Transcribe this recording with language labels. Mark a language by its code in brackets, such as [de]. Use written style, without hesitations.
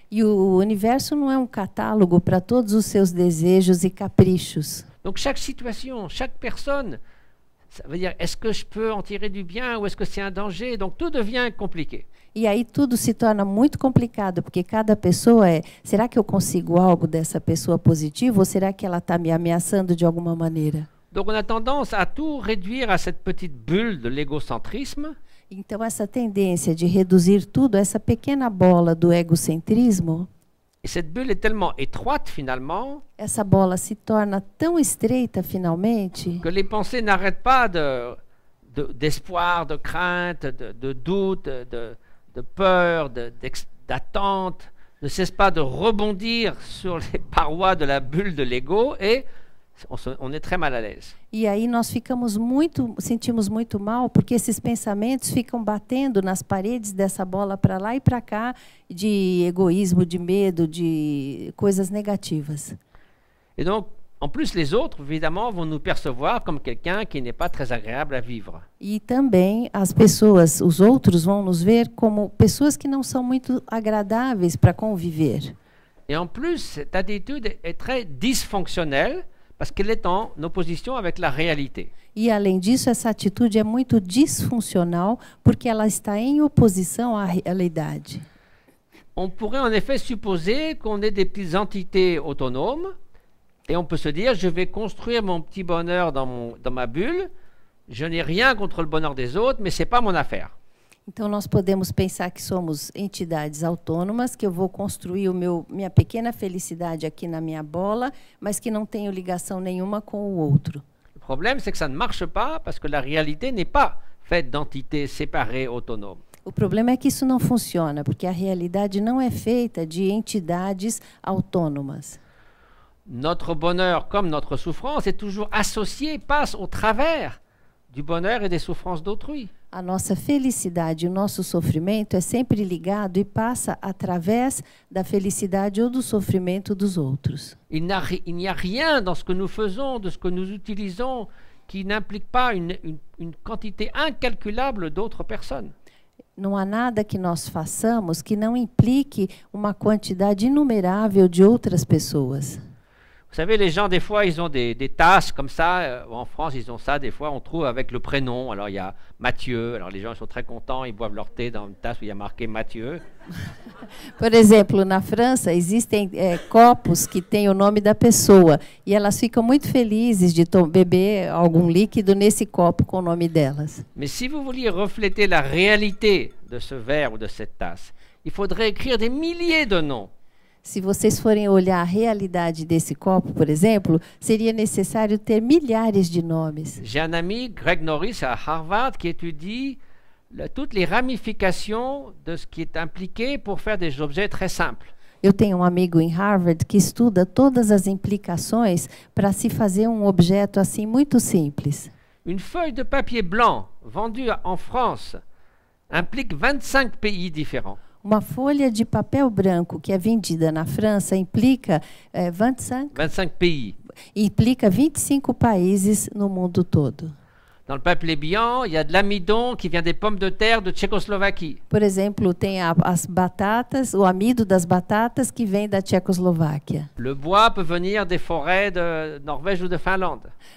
[pt] E o universo não é um catálogo para todos os seus desejos e caprichos. [fr] Donc chaque situation, chaque personne, ça veut dire est-ce que je peux en tirer du bien ou est-ce que c'est un danger? Donc tout devient compliqué. [pt] E aí tudo se torna muito complicado, porque cada pessoa é, será que eu consigo algo dessa pessoa positivo ou será que ela está me ameaçando de alguma maneira? [fr] Donc on a tendance à tout réduire à cette petite bulle de l'égocentrisme. [pt] Então essa tendência de reduzir tudo essa pequena bola do egocentrismo. [fr] Et cette bulle est tellement étroite finalement. [pt] Essa bola se torna tão estreita finalmente. [fr] Que les pensées n'arrêtent pas d'espoir, de crainte, de doute, de peur, d'attente, ne cesse pas de rebondir sur les parois de la bulle de l'ego et on est très mal à l'aise. [pt] E aí nós ficamos muito, sentimos muito mal porque esses pensamentos ficam batendo nas paredes dessa bola para lá e para cá de egoísmo, de medo, de coisas negativas. [fr] Et donc, en plus, les autres, évidemment, vont nous percevoir comme quelqu'un qui n'est pas très agréable à vivre. [pt] E também as pessoas, os outros, vão nos ver como pessoas que não são muito agradáveis para conviver. [fr] Et en plus, cette attitude est très dysfonctionnelle parce qu'elle est en opposition avec la réalité. [pt] E além disso, essa atitude é muito disfuncional porque ela está em oposição à realidade. [fr] On pourrait en effet supposer qu'on est des petites entités autonomes. Et on peut se dire, je vais construire mon petit bonheur dans ma bulle, Je n'ai rien contre le bonheur des autres, mais c'est pas mon affaire. [pt] Então nós podemos pensar que somos entidades autônomas, que eu vou construir o meu minha pequena felicidade aqui na minha bola, mas que não tenho ligação nenhuma com o outro. [fr] Le problème c'est que ça ne marche pas parce que la réalité n'est pas faite d'entités séparées autonomes. [pt] O problema é que isso não funciona, porque a realidade não é feita de entidades autônomas. [fr] Notre bonheur comme notre souffrance est toujours associé passe au travers du bonheur et des souffrances d'autrui. [pt] A nossa felicidade e o nosso sofrimento é sempre ligado e passa através da felicidade ou do sofrimento dos outros. [fr] Il n'y a rien dans ce que nous faisons, de ce que nous utilisons qui n'implique pas une quantité incalculable d'autres personnes. [pt] Não há nada que nós façamos que não implique uma quantidade inumerável de outras pessoas. [fr] Vous savez, les gens des fois ils ont des tasses comme ça. En France ils ont ça des fois. On trouve avec le prénom. Alors il y a Mathieu. Alors les gens sont très contents. Ils boivent leur thé dans une tasse où il y a marqué Mathieu. [pt] Por exemplo, na França existem copos que têm o nome da pessoa e elas ficam muito felizes de beber algum líquido nesse copo com o nome delas. [fr] Mais si vous vouliez refléter la réalité de ce verre ou de cette tasse, il faudrait écrire des milliers de noms. [pt] Se vocês forem olhar a realidade desse copo, por exemplo, seria necessário ter milhares de nomes. [fr] J'ai un ami, Greg Norris, à Harvard, qui étudie toutes les ramifications de ce qui est impliqué pour faire des objets très simples. [pt] Eu tenho um amigo em Harvard que estuda todas as implicações para se fazer um objeto assim muito simples. [fr] Une feuille de papier blanc vendue en France implique 25 pays différents. [pt] Uma folha de papel branco que é vendida na França implica [fr] 25 pays. [pt] Implica 25 países no mundo todo. [fr] Dans le papier blanc, il y a de l'amidon qui vient des pommes de terre de Tchécoslovaquie. [pt] Por exemplo, tem as batatas, o amido das batatas que vem da Tchecoslováquia. [fr] Le bois peut venir des forêts de Norvège ou de Finlande.